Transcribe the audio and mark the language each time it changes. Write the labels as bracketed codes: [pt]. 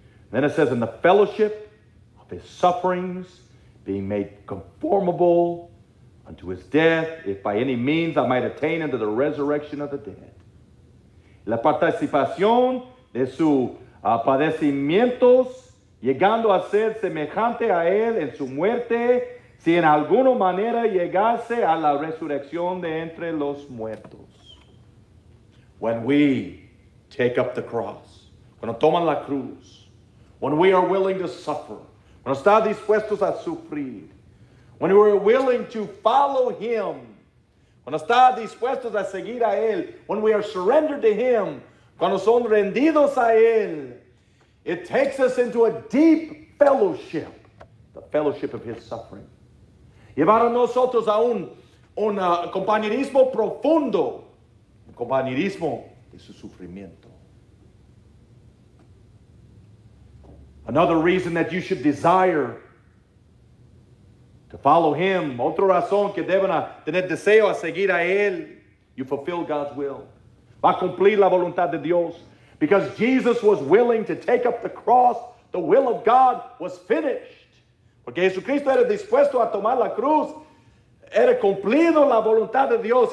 [en] Then it says, in the fellowship of his sufferings, being made conformable unto his death, if by any means I might attain unto the resurrection of the dead. [es] La participación de sus padecimientos, llegando a ser semejante a él en su muerte, si en alguna manera llegase a la resurrección de entre los muertos. [en] When we take up the cross, [es] cuando toman la cruz, [en] when we are willing to suffer, [es] cuando está dispuestos a sufrir, [en] when we are willing to follow him, [es] cuando está dispuestos a seguir a él, [en] when we are surrendered to him, [es] cuando son rendidos a él, [en] it takes us into a deep fellowship, the fellowship of his suffering. [es] Llevaron nosotros a un compañerismo profundo, un compañerismo de su sufrimiento. [en] Another reason that you should desire to follow him, [es] otra razón que deben tener deseo a seguir a él, [en] you fulfill God's will. [es] Va a cumplir la voluntad de Dios. [en] Because Jesus was willing to take up the cross, the will of God was finished. [es] Porque Jesucristo era dispuesto a tomar la cruz, era cumplido la voluntad de Dios.